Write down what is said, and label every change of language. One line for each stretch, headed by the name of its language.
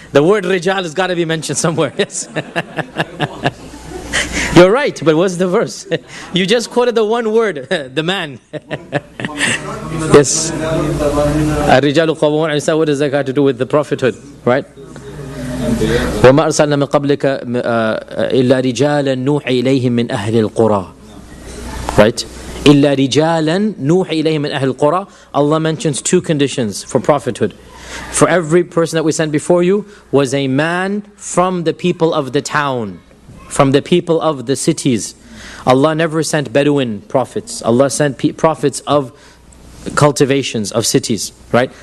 English: The word رِجَال has got to be mentioned somewhere. Yes. You're right, but what's the verse? You just quoted the one word, the man. Yes.
Arabic: الرجال قوامون على النساء.
English: What does that got to do with the prophethood, right?
Arabic: وما أرسلنا من قبلك إلا رجالا نوح إليهم من أهل القرى, right? إلا رجالا نوح إليهم من أهل القرى.
English: Allah mentions two conditions for prophethood. For every person that we sent before you was a man from the people of the town, from the people of the cities. Allah never sent Bedouin prophets. Allah sent prophets of cultivations, of cities, right?